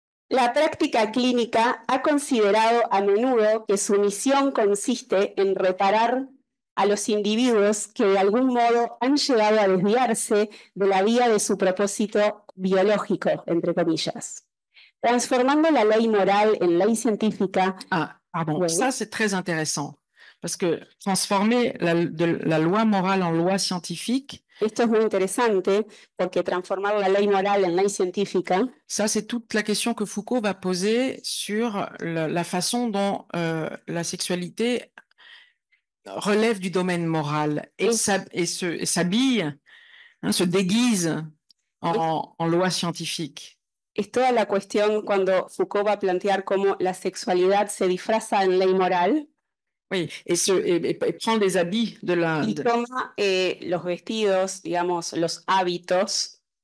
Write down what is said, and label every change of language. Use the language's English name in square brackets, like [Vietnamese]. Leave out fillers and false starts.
[Spanish] La práctica clínica ha considerado a menudo que su misión consiste en reparar a los individuos que de algún modo han llegado a desviarse de la vía de su propósito biológico, entre comillas. Transformando la ley moral en ley científica. [French] Ah, pardon, oui. Ça c'est très intéressant, parce que transformer la loi morale en loi scientifique, [Spanish] esto es muy interesante, porque transformar la ley moral en ley científica, [French] ça c'est toute la question que Foucault va poser sur la façon dont la sexualité relève du domaine moral et s'habille, hein, se déguise en loi scientifique. [Spanish] Es toda la cuestión cuando Foucault va a plantear cómo la sexualidad se disfraza en ley moral. [French] Oui, et prend des habits de la. [Spanish] Y toma los vestidos, digamos, los hábitos